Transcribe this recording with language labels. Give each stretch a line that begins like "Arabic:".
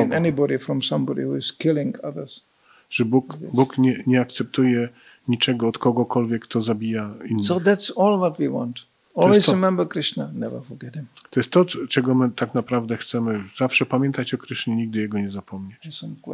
English: Anything and anybody from somebody who is killing others.
Polish: Że Bóg nie akceptuje niczego od kogokolwiek, kto zabija innych.
English: So that's all what we want. Always remember Krishna, never forget him.
Polish: To jest to, czego my tak naprawdę chcemy. Zawsze pamiętać o Krysznie, nigdy jego nie zapomnieć.